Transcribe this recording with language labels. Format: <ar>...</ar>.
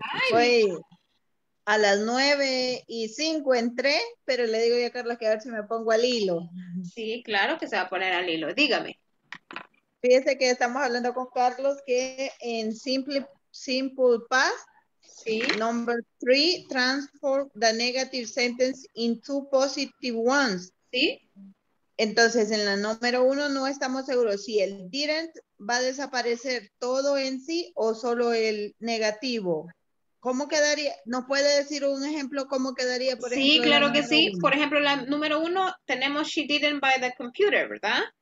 <en>Hi.</en> <es>Hoy a las 9:05 entré, pero le digo yo a Carlos que a ver si me pongo al hilo. Sí, claro que se va a poner al hilo. Dígame. Fíjese que estamos hablando con Carlos que en simple past, ¿sí?</es> <en>Number 3, transform the negative sentence into positive ones.</en> <es>Sí. Entonces, en la número 1 no estamos seguros si el didn't va a desaparecer todo en sí o solo el negativo. ¿Cómo quedaría? ¿Nos puede decir un ejemplo cómo quedaría? Por ejemplo, sí, claro que sí. Uno. Por ejemplo, la número 1 tenemos</es> <en>she didn't buy the computer,</en> <es>¿verdad?</es>